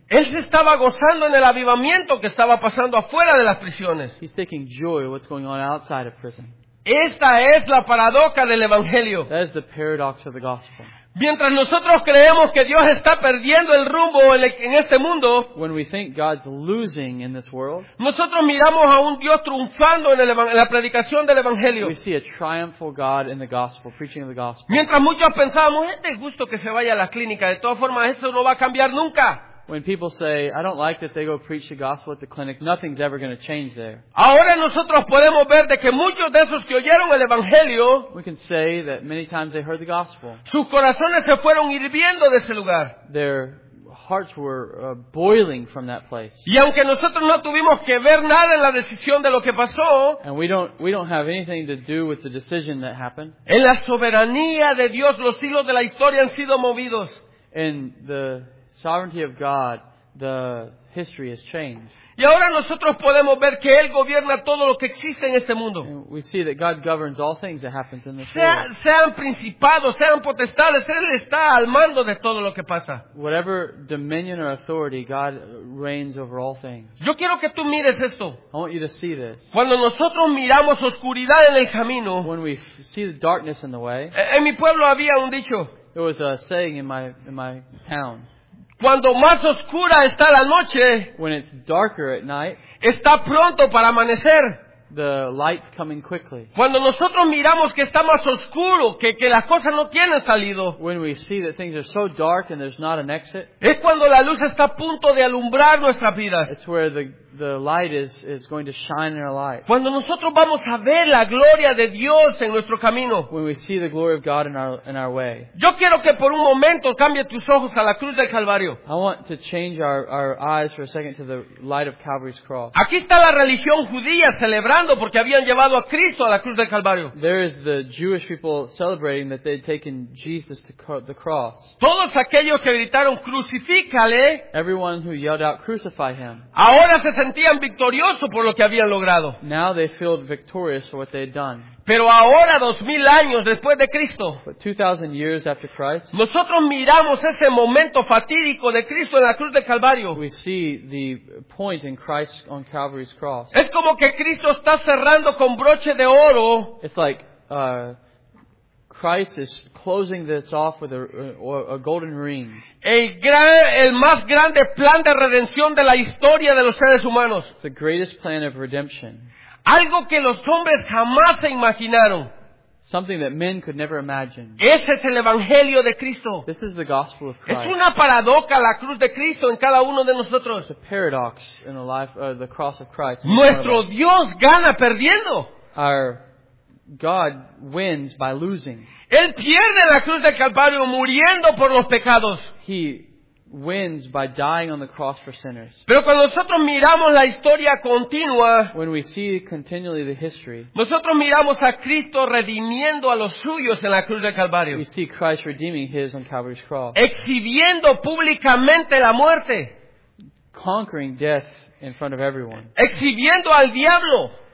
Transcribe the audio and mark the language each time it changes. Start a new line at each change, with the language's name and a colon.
Spanish: él se estaba gozando en el avivamiento que estaba pasando afuera de las prisiones.
English: He's taking joy in what's going on outside of prison.
Spanish: Esta es la paradoja del evangelio.
English: That is the paradox of the gospel.
Spanish: Mientras nosotros creemos que Dios está perdiendo el rumbo en este mundo,
English: when we think God's losing in this world,
Spanish: nosotros miramos a un Dios triunfando en la predicación del evangelio.
English: We see a triumphal God in the gospel, preaching the gospel.
Spanish: Mientras muchos pensamos, este es justo que se vaya a la clínica, de todas formas eso no va a cambiar nunca.
English: When people say, I don't like that they go preach the gospel at the clinic, nothing's ever going to change there.
Spanish: Ahora nosotros podemos ver de que muchos de esos que oyeron el evangelio,
English: we can say that many times they heard the gospel.
Spanish: Sus corazones se fueron hirviendo de ese lugar.
English: Their hearts were boiling from that place.
Spanish: Y aunque nosotros no tuvimos que ver nada en la decisión de lo que pasó,
English: and we don't have anything to do with the decision that happened.
Spanish: En la soberanía de Dios, los hilos de la historia han sido movidos.
English: In the sovereignty of God, the history has changed.
Spanish: Y ahora nosotros podemos ver que Él gobierna todo lo que existe en este mundo.
English: We see that God governs all things that happens in this world.
Spanish: Sean principados, sean potestades, Él está al mando de todo lo que pasa.
English: Whatever dominion or authority, God reigns over all things.
Spanish: Yo quiero que tú mires esto.
English: I want you to see this.
Spanish: Cuando nosotros miramos oscuridad en el camino,
English: when we see the darkness in the way,
Spanish: en mi pueblo había un dicho.
English: There was a saying in my town.
Spanish: Cuando más oscura está la noche,
English: when it's darker at night,
Spanish: está pronto para amanecer.
English: The light's coming quickly.
Spanish: Cuando nosotros miramos que está más oscuro, que las cosas no tienen salido,
English: when we see that things are so dark and there's not an exit,
Spanish: es cuando la luz está a punto de alumbrar nuestra vida.
English: It's where the light is going to shine in our life.
Spanish: Cuando nosotros vamos a ver la gloria de Dios en nuestro camino,
English: when we see the glory of God in our way.
Spanish: Yo quiero que por un momento cambie tus ojos a la cruz del Calvario.
English: I want to change our eyes for a second to the light of Calvary's cross.
Spanish: Aquí está la religión judía celebrando porque habían llevado a Cristo a la cruz del Calvario.
English: There is the Jewish people celebrating that they had taken Jesus to the cross.
Spanish: Todos aquellos que gritaron crucifícale,
English: everyone who yelled out crucify him.
Spanish: Ahora se sentían victoriosos por lo que habían logrado.
English: Now they feel victorious for what they had done.
Spanish: Pero ahora, 2,000 años después de Cristo,
English: but 2,000 years after Christ,
Spanish: nosotros miramos ese momento fatídico de Cristo en la cruz de Calvario.
English: We see the point in Christ on Calvary's cross.
Spanish: Es como que Cristo está cerrando con broche de oro.
English: It's like Christ is closing this off with a golden ring.
Spanish: El más grande plan de redención de la historia de los seres humanos.
English: The greatest plan of redemption.
Spanish: Algo que los hombres jamás se imaginaron.
English: Something that men could never imagine.
Spanish: Ese es el evangelio de Cristo.
English: This is the gospel of Christ.
Spanish: Es una paradoja la cruz de Cristo en cada uno de nosotros.
English: It's a paradox in the life of the cross of Christ.
Spanish: Nuestro Dios gana perdiendo.
English: Our God wins by losing.
Spanish: Él pierde la cruz del Calvario muriendo por los pecados.
English: He wins by dying on the cross for sinners.
Spanish: Pero cuando nosotros miramos la historia continua,
English: when we see continually the history,
Spanish: nosotros miramos a Cristo redimiendo a los suyos en la cruz del Calvario.
English: We see Christ redeeming his on Calvary's cross.
Spanish: Exhibiendo públicamente la muerte.
English: Conquering death in front of everyone.
Spanish: Exhibiendo al diablo.